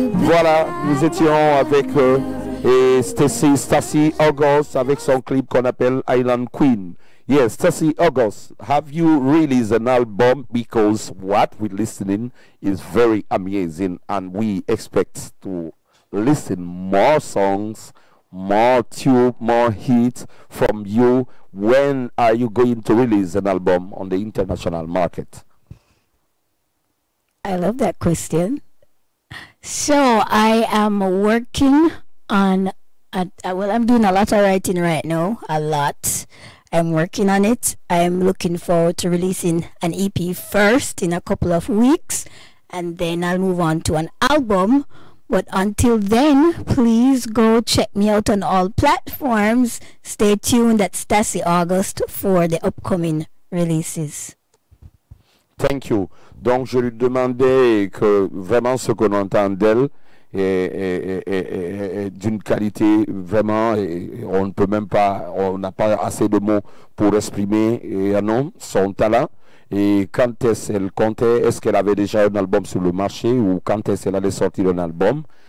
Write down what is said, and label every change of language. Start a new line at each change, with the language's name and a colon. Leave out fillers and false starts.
French: Voilà, nous étions avec Stassi August avec son clip qu'on appelle Island Queen.
English: Yes, Stassi August, have you released an album? Because what we're listening is very amazing, and we expect to listen more songs, more tube, more hits from you. When are you going to release an album on the international market? I love that question. So I am working on, I'm doing a lot of writing right now, a lot. I'm working on it. I'm looking forward to releasing an EP first in a couple of weeks, and then I'll move on to an album. But until then, please go check me out on all platforms. Stay tuned at Stassi August for the upcoming releases. Thank you.
French: Donc, je lui demandais que vraiment ce qu'on entend d'elle est d'une qualité vraiment, et on ne peut même pas, on n'a pas assez de mots pour exprimer son talent. Et quand est-ce qu'elle comptait, est-ce qu'elle avait déjà un album sur le marché ou quand est-ce qu'elle allait sortir un album?